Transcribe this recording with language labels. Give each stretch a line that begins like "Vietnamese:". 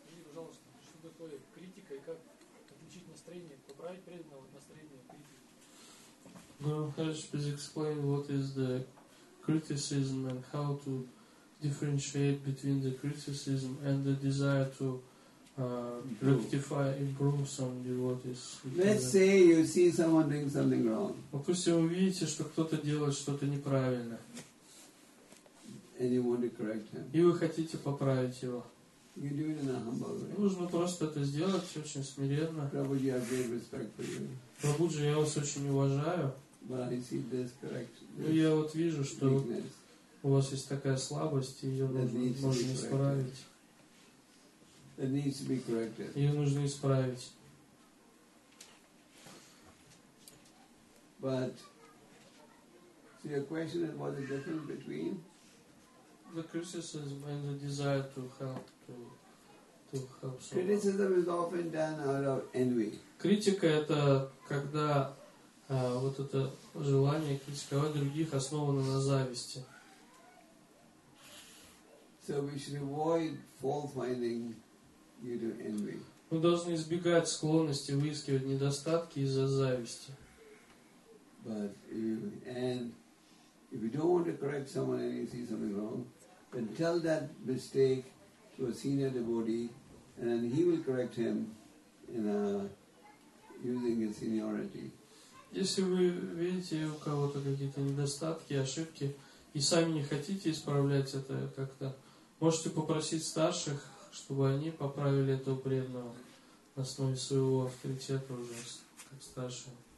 Russian: Пожалуйста, что такое критика и как отличить настроение, поправить преданного от настроения критики?
English: Guru Maharaj, please explain what is the criticism and how to differentiate between the criticism and the desire to rectify, improve some devotees. Let's say you see someone doing something wrong.
Russian: Допустим, вы видите, что кто-то делает что-то неправильно.
English: And you want to correct him.
Russian: И вы хотите поправить его.
English: You do it in a humble way.
Russian: Нужно просто это сделать очень смиренно.
English: Prabhuji, I have great respect for you.
Russian: Прабуджи, я вас очень уважаю.
English: But I see this correction.
Russian: Но я вот вижу, что у вас есть такая слабость, и ее можно исправить.
English: It needs to be corrected.
Russian: Ее нужно исправить.
English: But so your question is what is the difference between the criticism and the desire to help to help someone. Criticism is often done out of envy.
Russian: Критика это когда вот это желание критиковать других основано на зависти.
English: So we should avoid fault finding. You do envy.
Russian: Мы должны избегать склонности выискивать недостатки из-за зависти.
English: But if you don't want to correct someone and you see something wrong, then tell that mistake to a senior devotee, and then he will correct him in using his seniority.
Russian: Если вы видите у кого-то какие-то недостатки, ошибки, и сами не хотите исправлять это как-то, можете попросить старших, чтобы они поправили этого преданного на основе своего авторитета уже как старшего.